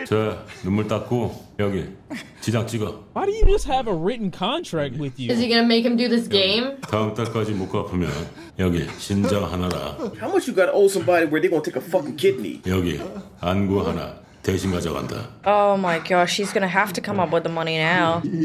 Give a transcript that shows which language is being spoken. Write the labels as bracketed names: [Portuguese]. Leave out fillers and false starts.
[Korean] 저, 눈물 닦고, 여기, 지장 찍어. [English] Why do you just have a written contract with you? Is he gonna make him do this game? [Korean] 다음 달까지 못 갚으면, 여기, 신장 하나라. [English] How much you gotta owe somebody where they gonna take a fucking kidney? [Korean] 여기, 안구 하나. [English] Oh my gosh, she's gonna have to come up with the money now.